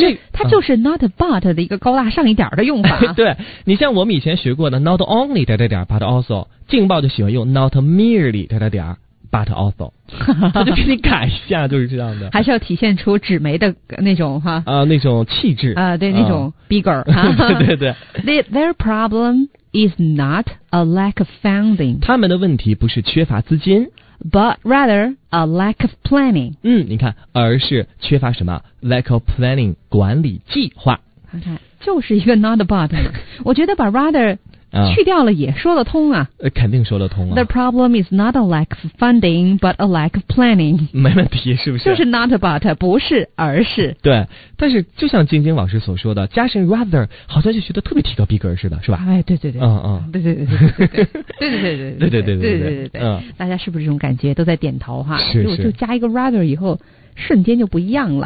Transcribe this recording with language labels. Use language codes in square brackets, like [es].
[zh] 其实它就是 not but 的一个高大上一点的用法。对，你像我们以前学过的 not only 点点点 but also， 劲报就喜欢用 not merely 点点点but also， 他就给你改一下，就是这样的。还是要体现出纸媒的那种哈，那种气质啊、对，那种逼格、对对对。 [en] Their problem is not a lack of funding， [zh] 他们的问题不是缺乏资金 [en] ，but rather a lack of planning。 [zh] 你看，而是缺乏什么 ？ [en] lack of planning， [zh] 管理计划。看看，就是一个 not but， 我觉得把 rather。去掉了也说得通啊，肯定说得通啊。 [en] The problem is not a lack of funding, but a lack of planning。 [zh] 没问题，是不是？就是 not but， 不是而是。对，但是就像晶晶老师所说的，加上 rather， 好像就觉得特别提高逼格似的，是吧？哎，对对对，对对对对对对对对对对对对对对对，大家是不是这种感觉？都在点头哈。是是。就加一个 rather 以后，瞬间就不一样了。